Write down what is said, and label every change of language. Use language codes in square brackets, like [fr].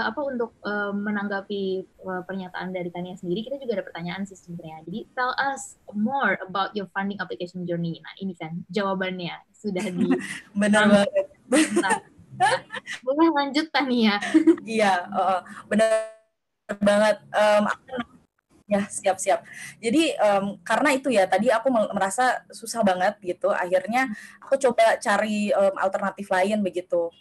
[id] Untuk menanggapi pernyataan dari Tania sendiri, kita juga ada pertanyaan sih sebenarnya. Jadi [en] tell us more about your funding application journey. [id] Nah ini kan jawabannya sudah di benar banget. Boleh lanjut Tania. Iya, benar banget. Siap-siap. Jadi karena itu ya, tadi aku merasa susah banget gitu, akhirnya aku coba cari alternatif lain begitu.